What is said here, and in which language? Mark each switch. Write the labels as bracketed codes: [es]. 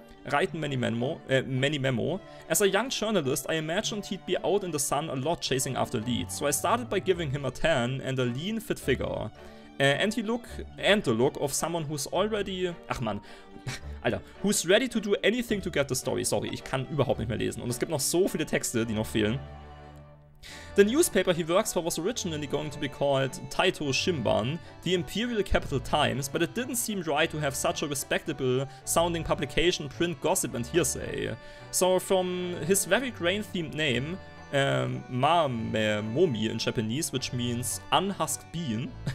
[en] Write many memo. As a young journalist, I imagined he'd be out in the sun a lot chasing after leads, so I started by giving him a tan and a lean, fit figure. And the look of someone who's already... [de] Ach man, Alter. [en] Who's ready to do anything to get the story. [de] Sorry, ich kann überhaupt nicht mehr lesen. Und es gibt noch so viele Texte, die noch fehlen. [en] The newspaper he works for was originally going to be called Taito Shimban, the Imperial Capital Times, but it didn't seem right to have such a respectable sounding publication print gossip and hearsay. So from his very grain-themed name, Mame Momi in Japanese, which means unhusked bean,